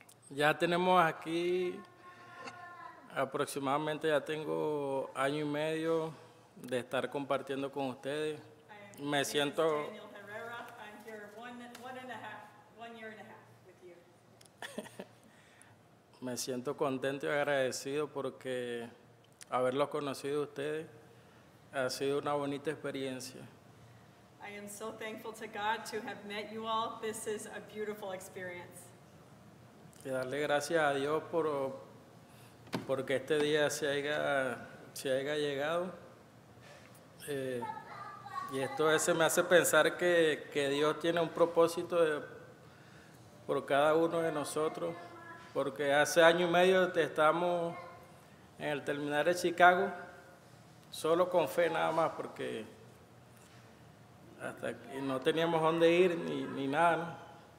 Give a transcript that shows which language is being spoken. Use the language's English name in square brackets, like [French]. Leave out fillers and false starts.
[Spanish] Ya tenemos aquí aproximadamente, ya tengo año y medio de estar compartiendo con ustedes. Me siento... Daniel Herrera. [English] I'm here one year and a half with you. [Spanish] Me siento contento y agradecido porque... Haberlos conocido ustedes ha sido una bonita experiencia. [English] I am so thankful to God to have met you all. This is a beautiful experience. [Spanish] Y darle gracias a Dios por porque este día se haya llegado. Y esto a veces me hace pensar que Dios tiene un propósito por cada uno de nosotros, porque hace año y medio estamos en el terminal de Chicago, solo con fe nada más, porque hasta aquí no teníamos dónde ir ni nada, ¿no?